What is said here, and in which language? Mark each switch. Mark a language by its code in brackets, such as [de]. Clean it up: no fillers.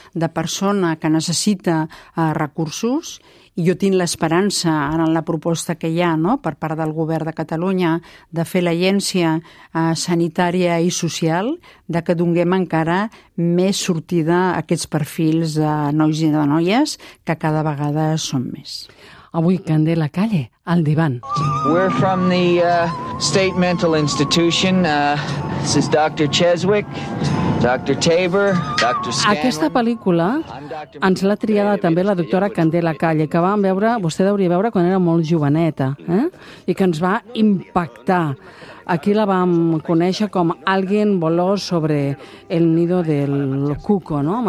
[ca] De persona que necessita recursos, i jo tinc l'esperança en la proposta que hi ha, no? Per part del govern de Catalunya de fer l'agència sanitària i social, de que donem encara més sortida a aquests perfils de nois i de noies que cada vegada són més. Avui, Candela Calle, al divan. [en] We're from the State Mental Institution. This is Dr. Cheswick, Dr. Tabor, Dr. Scanlon. [ca] Aquesta pel·lícula ens l'ha triada també la doctora Candela Calle, que vam veure, vostè deuria veure quan era molt joveneta, i que ens va impactar. Aquí la vam conèixer com Alguien voló sobre el nido del cuco, no?